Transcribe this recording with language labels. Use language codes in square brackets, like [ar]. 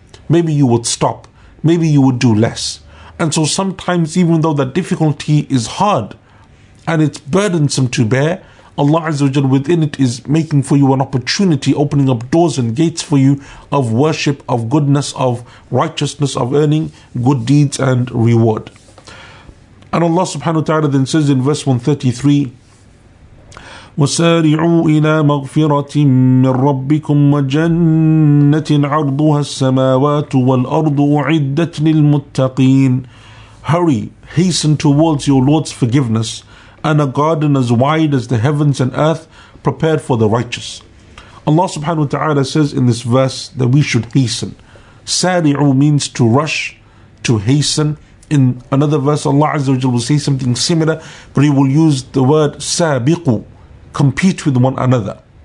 [en] Maybe you would stop. Maybe you would do less. And so sometimes, even though that difficulty is hard and it's burdensome to bear, Allah Azza wa Jalla within it is making for you an opportunity, opening up doors and gates for you of worship, of goodness, of righteousness, of earning good deeds and reward. And Allah subhanahu wa ta'ala then says in verse 133, [ar] وَسَارِعُوا إِلَىٰ مَغْفِرَةٍ مِّن رَبِّكُمْ وَجَنَّةٍ عَرْضُهَا السَّمَاوَاتُ وَالْأَرْضُ أُعِدَّتْ لِلْمُتَّقِينَ. [en] Hurry, hasten towards your Lord's forgiveness, and a garden as wide as the heavens and earth prepared for the righteous. Allah subhanahu wa ta'ala says in this verse that we should hasten. Sari'u means to rush, to hasten. In another verse, Allah Azza wa Jalla will say something similar, but He will use the word sabiqu, compete with one another.